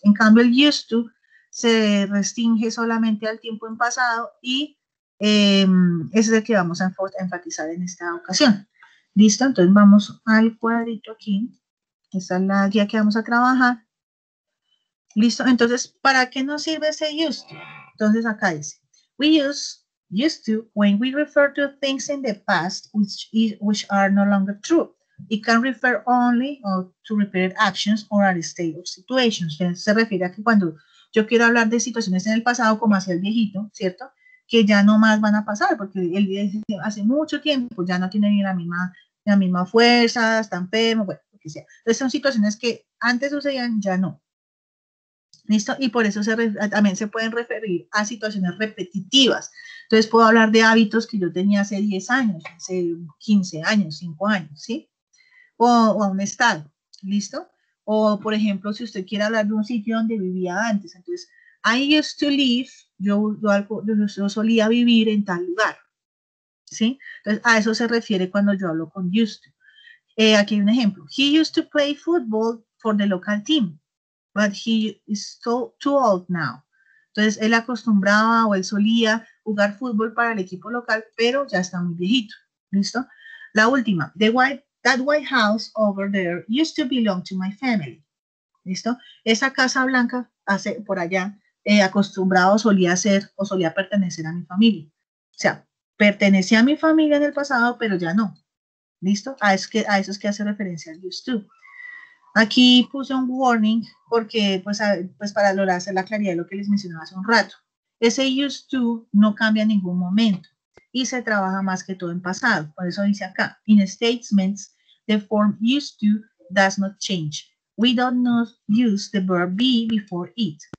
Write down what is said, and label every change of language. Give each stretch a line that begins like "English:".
Spanish: En cambio, el used to se restringe solamente al tiempo en pasado y ese es el que vamos a enfatizar en esta ocasión. Listo, entonces vamos al cuadrito aquí. Esta es la guía que vamos a trabajar. Listo, entonces, ¿para qué nos sirve ese used to? Entonces acá dice,
English: we use used to when we refer to things in the past which are no longer true. It can refer only to repeated actions or a state of situations.
Spanish: Se refiere a que cuando yo quiero hablar de situaciones en el pasado, como hacía el viejito, ¿cierto? Que ya no más van a pasar, porque él hace mucho tiempo ya no tiene ni la misma fuerza, está enfermo, bueno, lo que sea. Entonces son situaciones que antes sucedían, ya no. ¿Listo? Y por eso también se pueden referir a situaciones repetitivas. Entonces puedo hablar de hábitos que yo tenía hace 10 años, hace 15 años, 5 años, ¿sí? O a un estado, ¿listo? O, por ejemplo, si usted quiere hablar de un sitio donde vivía antes, entonces,
English: I used to live.
Spanish: Yo solía vivir en tal lugar, ¿sí? Entonces, a eso se refiere cuando yo hablo con used to. Aquí hay un ejemplo.
English: He used to play football for the local team, but he is too old now.
Spanish: Entonces, él acostumbraba o él solía jugar fútbol para el equipo local, pero ya está muy viejito, ¿listo? La última.
English: That white house over there used to belong to my family,
Spanish: ¿listo? Esa casa blanca hace por allá. Acostumbrado solía ser o solía pertenecer a mi familia. O sea, pertenecía a mi familia en el pasado, pero ya no. ¿Listo? A eso es que hace referencia el used to. Aquí puse un warning porque, pues para lograr hacer la claridad de lo que les mencionaba hace un rato. Ese used to no cambia en ningún momento. y se trabaja más que todo en pasado. Por eso dice acá,
English: in statements, the form used to does not change. We do not use the verb be before it.